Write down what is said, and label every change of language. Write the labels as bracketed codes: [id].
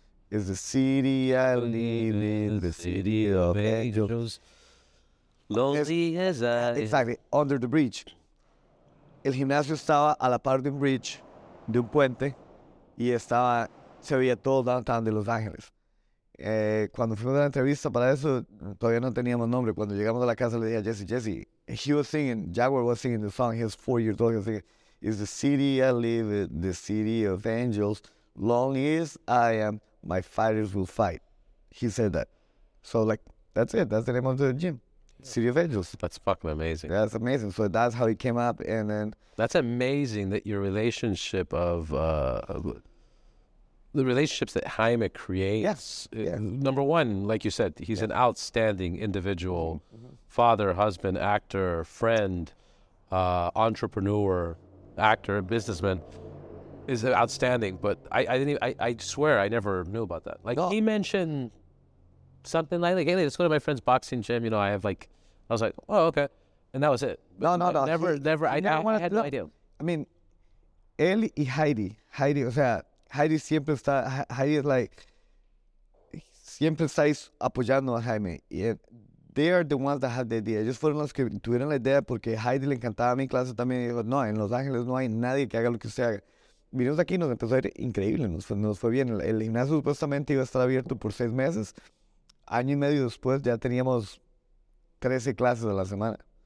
[en] It's the city I live in, the city of angels. Exactly, under the bridge. [es] El gimnasio estaba a la par de un bridge, de un puente, y se veía todo downtown de Los Ángeles. Cuando fuimos a la entrevista para eso, todavía no teníamos nombre. Cuando llegamos a la casa le dije a Jesse, [en] Jaguar was singing the song, he was 4 years old, he was singing, it's the city I live in, the city of angels, long as I am, my fighters will fight. He said that. So like, that's it, that's the name of the gym. City of Angels. That's fucking amazing. That's amazing. So that's how he came up. And then that's amazing that your relationship of the relationships that Jaime creates. Yes. Number one, like you said, he's an outstanding individual, father, husband, actor, friend, entrepreneur, actor, businessman. Is outstanding. But I swear I never knew about that. He mentioned something like, hey, let's go to my friend's boxing gym. You know, I have like, I was like, oh, okay. And that was it. No. Never, never. I had no idea. I mean, [es] él y Heidi. Heidi, o sea, Heidi siempre está, Heidi es like, siempre estáis apoyando a Jaime. [en] Y they are the ones that have the idea. [es] Ellos fueron los que tuvieron la idea porque Heidi le encantaba mi clase también. Y dijo, no, en Los Ángeles no hay nadie que haga lo que usted haga. Vinimos aquí y nos empezó a ir increíble, nos fue bien. El gimnasio supuestamente iba a estar abierto por 6 meses. Año y medio después ya teníamos 13 clases a la semana.